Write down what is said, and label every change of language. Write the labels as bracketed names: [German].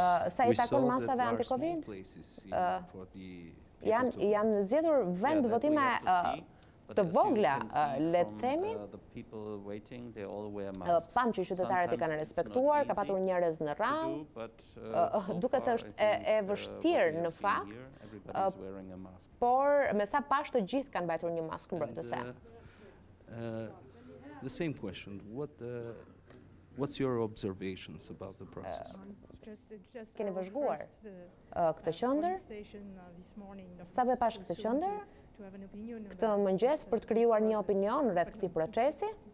[English] We saw that there are small places for the people to vote. That we have to see. [Albanian] Të vogla, le të themi, pam që qytetarët i kanë respektuar, ka patur njerëz në rand, duket se është e vështirë në fakt, por me sa pash të gjithë kanë mbajtur një maskë mbrojtëse. [English] The same question, what's your observations about the process? [Albanian] Keni vëzhguar këtë qendër, sa be pash këtë qendër, këtë mëngjes për të krijuar një opinion rreth këtij procesi.